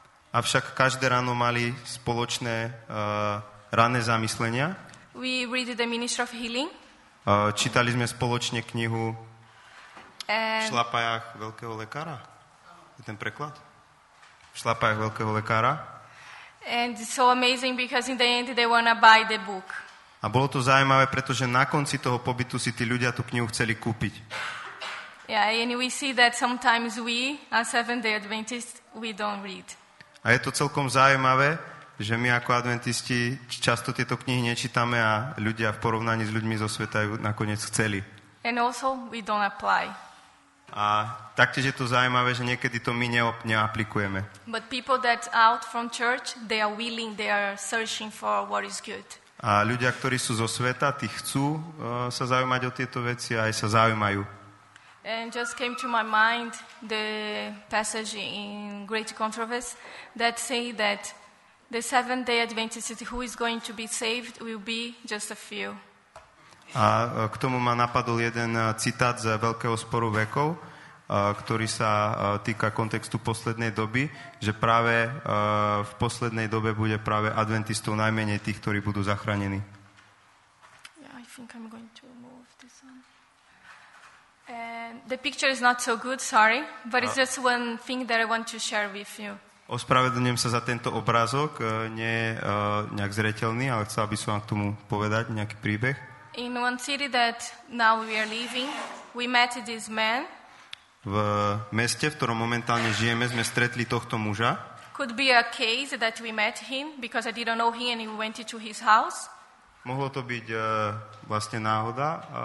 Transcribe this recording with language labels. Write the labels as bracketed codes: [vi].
[sk] Avšak každé ráno mali spoločné ranné zamyslenia. [en] We read the Ministry of Healing. [sk] Čítali sme spoločne knihu V šlapajách veľkého lekára. Je ten preklad? V šlapajách veľkého lekára. [en] And so amazing because in the end they want to buy the book. [sk] A bolo to zaujímavé, pretože na konci toho pobytu si tí ľudia tú knihu chceli kúpiť. [en] Yeah, and we see that sometimes we, as Seventh-day Adventists, we don't read. [sk] A je to celkom zaujímavé, že my ako adventisti často tieto knihy nečítame a ľudia v porovnaní s ľuďmi zo sveta ju nakoniec chceli. [en] And also we don't apply. [sk] A taktiež je to zaujímavé, že niekedy to my neaplikujeme. [en] But people that out from church, they are willing, they are searching for what is good. [sk] A ľudia, ktorí sú zo sveta, tí chcú sa zaujímať o tieto veci a aj sa zaujímajú. [en] And just came to my mind the passage in Great Controversy that say that the Seventh-day Adventist who is going to be saved will be just a few. [sk] A k tomu ma napadol jeden citát z Veľkého sporu vekov, ktorý sa týka kontextu poslednej doby, že práve v poslednej dobe bude práve adventistov najmenej tých, ktorí budú zachránení. [en] Yeah, I think I'm going to move this one. The picture is not so good, sorry, but it's just one thing that I want to share with you. [sk] Ospravedlňujem sa za tento obrázok, nie je nejak zretelný, ale chcel by som vám k tomu povedať nejaký príbeh. [en] In one city that now we are living, we met this man. [sk] V meste, v ktorom momentálne žijeme, sme stretli tohto muža. [en] Could be a case that we met him because I didn't know him and we went to his house. [sk] Mohlo to byť vlastne náhoda.